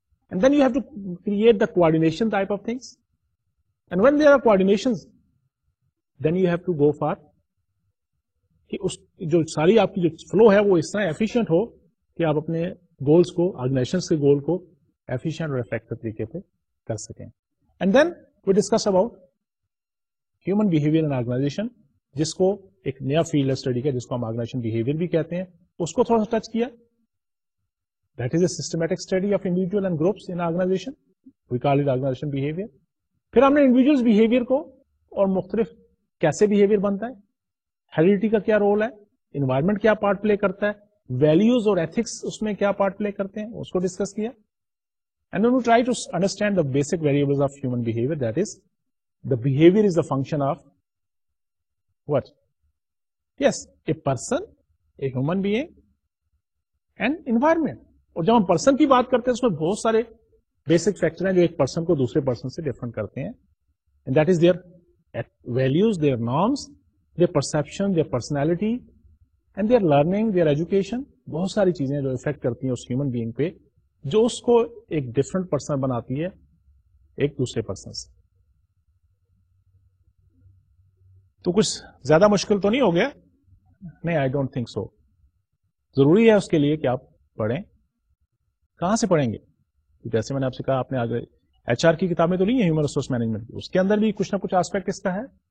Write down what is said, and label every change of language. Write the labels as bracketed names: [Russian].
[English] and then you have to create the coordination type of things, and when there are coordination then you have to go for [Urdu] کہ اس جو ساری آپ کی جو flu ہے وہ اس طرح ایفیشینٹ ہو کہ آپ اپنے گولس کو, آرگنائزیشن کے گول کو ایفیشینٹ اور افیکٹو طریقے پہ کر سکیں. [English] and then we discuss about human behaviour in organisation, [Urdu] جس کو ایک نیا فیلڈ اسٹڈی کا, جس کو ہم آرگنائزیشن بہیویئر بھی کہتے ہیں, اس کو تھوڑا سا ٹچ کیا. [English] That is a systematic study of individual and groups in organisation, we call it organisation behaviour. [Urdu] پھر ہم نے انڈیویجل بہیویئر کو اور مختلف کیسے بہیویئر بنتا ہے, ہیریڈیٹی کا کیا رول ہے, انوائرمنٹ کیا پارٹ پلے کرتا ہے, ویلیوز اور ایتھکس اس میں کیا پارٹ پلے کرتے ہیں, اس کو ڈسکس کیا. [English] And then we try to understand the basic variables of human behavior. That is, the behavior is a function of what? Yes, a person, a human being, and environment. [Urdu] اور جب ہم person کی بات کرتے ہیں اس میں بہت سارے بیسک فیکٹر ہیں جو ایک پرسن کو دوسرے پرسن سے ڈفرنٹ کرتے ہیں. [English] And that is their values, their norms, their perception, their personality, and their learning, their education. [Urdu] بہت ساری چیزیں جو افیکٹ کرتی ہیں اس ہیومن بینگ پہ, جو اس کو ایک ڈفرنٹ پرسن بناتی ہے ایک دوسرے پرسن سے. تو کچھ زیادہ مشکل تو نہیں ہو گیا؟ نہیں, [English] I don't think so. [Urdu] ضروری ہے اس کے لیے کہ آپ پڑھیں. کہاں سے پڑھیں گے؟ جیسے میں نے آپ سے کہا, آپ نے آج ایچ آر کی کتابیں تو نہیں ہیں ہیومن ریسورس مینجمنٹ کی, اس کے اندر بھی کچھ نہ کچھ آسپیکٹ اس کا ہے.